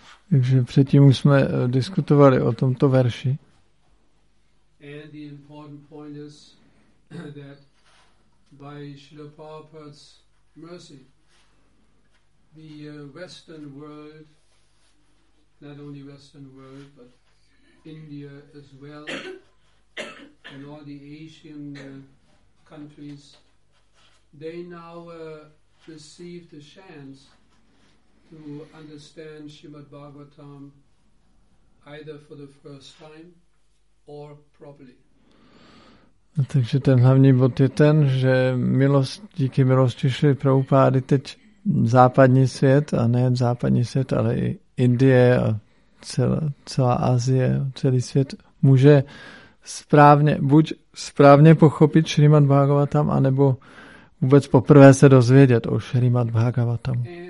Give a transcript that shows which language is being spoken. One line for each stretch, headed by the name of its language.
Czech: Takže předtím už jsme diskutovali o tomto verši.
English: And the important point is that by Srila Prabhupada's mercy, the Western world, not only Western world, but India as well, and all the Asian countries, they now receive the chance to understand Srimad Bhagavatam either for the first time or properly.
Czech: Takže ten hlavní bod je ten, že milost, díky milosti Šri Prabhupády teď západní svět, a nejen západní svět, ale i Indie a celá Asie, celý svět může správně, buď správně pochopit Srimad Bhagavatam, anebo vůbec poprvé se dozvědět o Srimad Bhagavatam.